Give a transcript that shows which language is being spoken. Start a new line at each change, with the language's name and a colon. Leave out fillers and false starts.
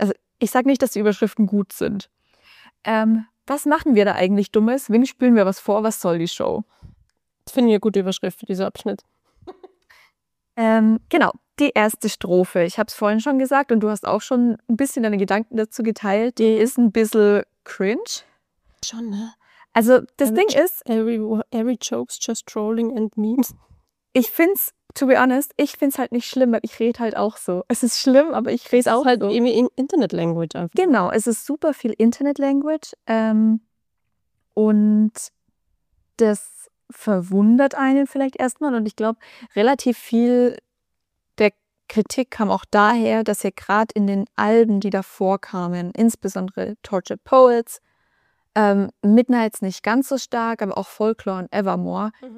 German: Also ich sage nicht, dass die Überschriften gut sind. Was machen wir da eigentlich Dummes? Wem spielen wir was vor? Was soll die Show? Das finde ich eine gute Überschrift für diesen Abschnitt. Genau. Die erste Strophe, ich habe es vorhin schon gesagt und du hast auch schon ein bisschen deine Gedanken dazu geteilt, die ist ein bisschen cringe. Schon, ne? Also das Ding ist...
English: Every joke's just trolling and memes.
German: Ich finde es
English: to be honest,
German: ich finde es halt nicht schlimm, weil ich rede halt auch so. Es ist schlimm, aber ich rede auch halt so. Es ist halt Internet-Language einfach. Genau, es ist super viel Internet-Language. Und das verwundert einen vielleicht erstmal. Und ich glaube, relativ viel der Kritik kam auch daher, dass er gerade in den Alben, die davor kamen, insbesondere Tortured Poets, Midnights nicht ganz so stark, aber auch Folklore und Evermore. Mhm.